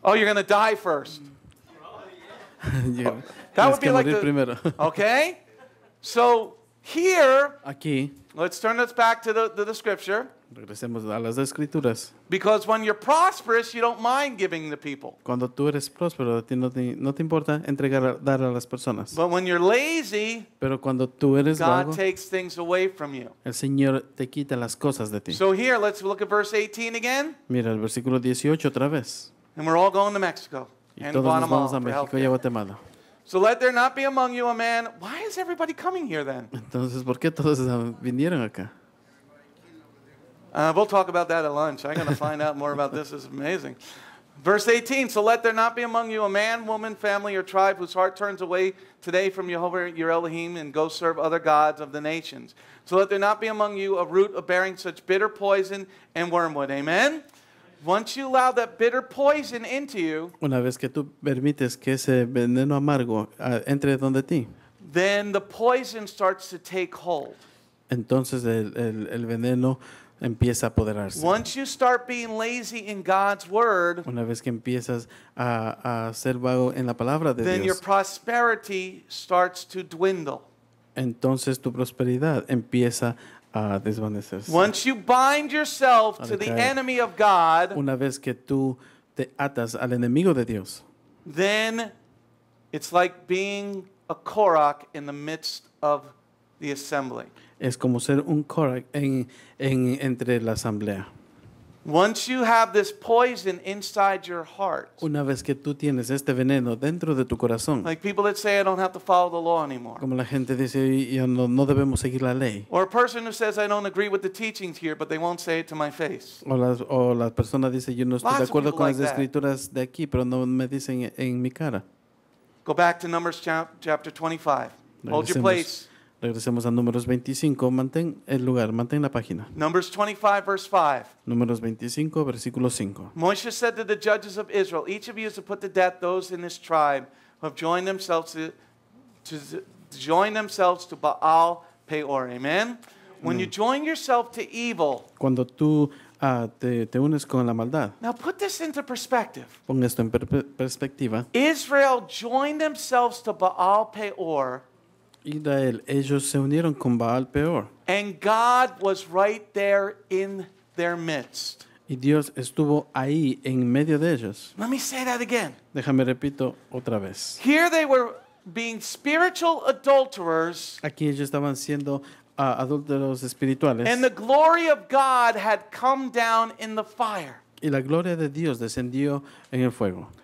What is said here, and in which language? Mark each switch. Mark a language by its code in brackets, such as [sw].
[en] Oh, you're going to die first. Yeah. That would be like the [es] primero. [en] Okay? So here, [es] aquí, [en] let's turn this back to the scripture. [es] Regresemos a las escrituras. [en] Because when you're prosperous, you don't mind giving the people. [es] Cuando tú eres próspero, a ti no te importa entregar dar a las personas. [en] But when you're lazy, [es] pero cuando tú eres [en] God [es] vago, [en] takes things away from you. [es] El Señor te quita las cosas de ti. [en] So here, let's look at verse 18 again. [es] Mira el versículo 18 otra vez. [en] And we're all going to Mexico [es] y todos nos vamos a México y a Guatemala. [en] So let there not be among you a man. Why is everybody coming here then? [es] Entonces, ¿por qué todos vinieron acá? [en] We'll talk about that at lunch. I'm going to find out more about this. It's amazing. Verse 18. So let there not be among you a man, woman, family, or tribe whose heart turns away today from Yehovah your Elohim and go serve other gods of the nations. So let there not be among you a root of bearing such bitter poison and wormwood. Amen? Once you allow that bitter poison into you, [es] una vez que tú permites que ese veneno amargo entre donde ti, [en] then the poison starts to take hold. [es] Entonces el veneno empieza a apoderarse. [en] Once you start being lazy in God's word, [es] una vez que empiezas a ser vago en la palabra de [en] then then your prosperity starts to dwindle. [es] Entonces tu prosperidad empieza a desvanecerse. [en] Once you bind yourself to the enemy of God, [es] una vez que tú te atas al enemigo de Dios, [en] then it's like being a Korach in the midst of the assembly. [es] Es como ser un Korach entre la asamblea. [en] Once you have this poison inside your heart, [es] una vez que tú tienes este veneno dentro de tu corazón, [en] like people that say I don't have to follow the law anymore, [es] como la gente dice yo no debemos seguir la ley, [en] or a person who says I don't agree with the teachings here, but they won't say it to my face, [es] o la persona dice yo no estoy de acuerdo con las escrituras de aquí, pero no me dicen en mi cara. [en] Go back to Numbers chapter 25. Hold your place. [es] Regresemos a Números 25. Mantén el lugar, mantén la página. [en] Numbers 25, verse 5. [es] Números 25, versículo 5. [en] Moshe said to the judges of Israel, each of you is to put to death those in this tribe who have joined themselves to Baal Peor. Amen? When you join yourself to evil. [es] Cuando tú te unes con la maldad. [en] Now put this into perspective. [es] Pon esto en perspectiva. [en] Israel joined themselves to Baal Peor. [es] Israel, ellos se unieron con Baal Peor. [en] And God was right there in their midst. [es] Y Dios estuvo ahí en medio de ellos. [en] Let me say that again. [es] Déjame repito otra vez. [en] Here they were being spiritual adulterers. [es] Aquí ellos estaban siendo adúlteros espirituales. [en] And the glory of God had come down in the fire. [es] Y la gloria de Dios descendió en el fuego.